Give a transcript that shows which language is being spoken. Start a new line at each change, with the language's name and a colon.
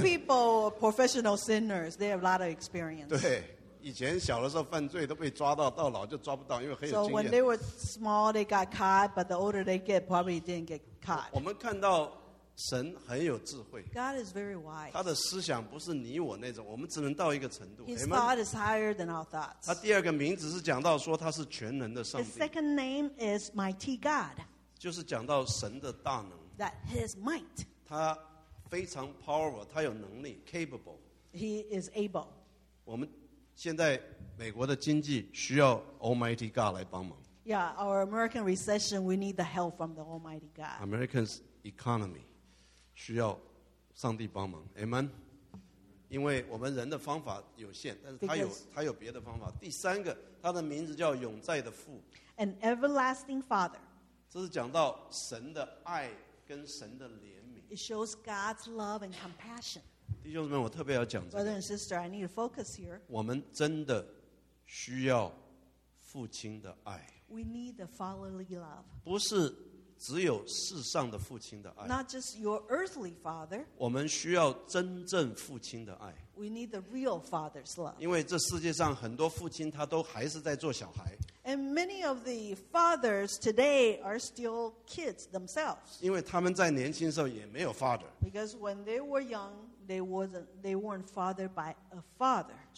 English: The old people, professional sinners, they have a lot of experience.
Chinese: 对。以前小的时候犯罪都被抓到，到老就抓不到， 因为很有经验。
English: So when they were small, they got caught, but the older they get, probably didn't get caught.
Chinese: 我们看到神很有智慧。
English: God is very wise.
Chinese: 他的思想不是你我那种， 我们只能到一个程度。
English: His thought is higher than our thoughts.
Chinese: 他第二个名字是讲到说他是全能的上帝。
English: His second name is Mighty God.
Chinese: 就是讲到神的大能。
English: That his might.
Chinese: 他非常 powerful, 他有能力, capable.
English: He is able.
Chinese: 我们 现在美国的经济需要 Almighty God 来帮忙。
English: Yeah, our American recession, we need the help from the Almighty God. American's economy
Chinese: 需要上帝帮忙。
English: Amen.
Chinese: 因为我们人的方法有限, 但是他有,
English: because
Chinese: 他有别的方法。第三个, 他的名字叫永在的父。
English: An everlasting father.
Chinese: 这是讲到神的爱跟神的怜悯。
English: It shows God's love and compassion.
Chinese: 弟兄们，我特别要讲这个。
English: Brother and sister, I need to focus here.
Chinese: 我们真的需要父亲的爱。
English: We need the fatherly love.
Chinese: 不是只有世上的父亲的爱。
English: Not just your earthly father.
Chinese: 我们需要真正父亲的爱。
English: We need the real father's love.
Chinese: 因为这世界上很多父亲他都还是在做小孩。
English: And many of the fathers today are still kids themselves.
Chinese: 因为他们在年轻时候也没有father。
English: Because when they were young, they weren't fathered by a father.